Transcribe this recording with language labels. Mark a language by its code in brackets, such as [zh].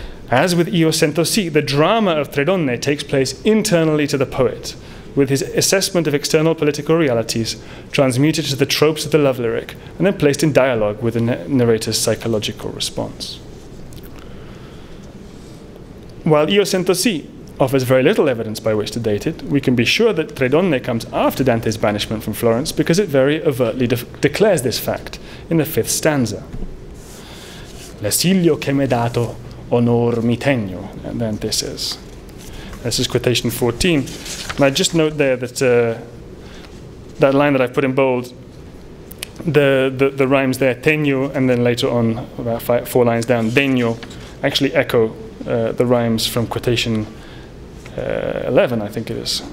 [en] As with Iocentos C, the drama of Tre Donne takes place internally to the poet, with his assessment of external political realities transmuted to the tropes of the love lyric and then placed in dialogue with the narrator's psychological response. While Iocentos C offers very little evidence by which to date it, we can be sure that Tre Donne comes after Dante's banishment from Florence because it very overtly declares this fact in the fifth stanza. [it] L'esilio che m'è dato onor mi tegno, [en] Dante says. This is quotation 14. And I just note there that that line that I put in bold, the rhymes there, tegno, and then later on, about four lines down, degno, actually echo the rhymes from quotation 11, I think it is.